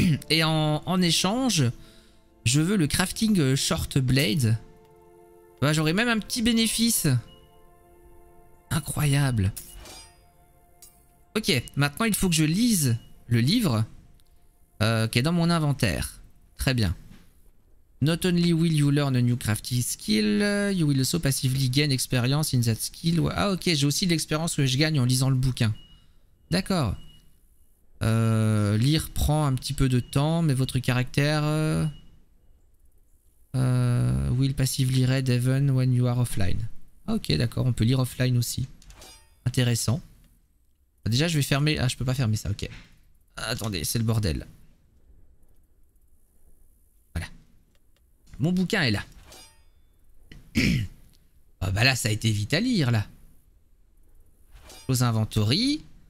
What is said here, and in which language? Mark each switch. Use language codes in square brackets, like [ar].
[fr] Et en échange, je veux le crafting short blade. Ben, j'aurais même un petit bénéfice. Incroyable. Ok, maintenant il faut que je lise le livre qui est dans mon inventaire. Très bien. [en] Not only will you learn a new crafting skill, you will also passively gain experience in that skill. [fr] Ah ok, j'ai aussi l'expérience que je gagne en lisant le bouquin. D'accord. Lire prend un petit peu de temps, mais votre caractère... [en] will passively read even when you are offline. [fr] Ah ok, d'accord, on peut lire offline aussi. Intéressant. Déjà, je vais fermer. Ah, je peux pas fermer ça, ok. Attendez, c'est le bordel. Voilà. Mon bouquin est là. Ah, bah là, ça a été vite à lire, là. [en] Close inventory.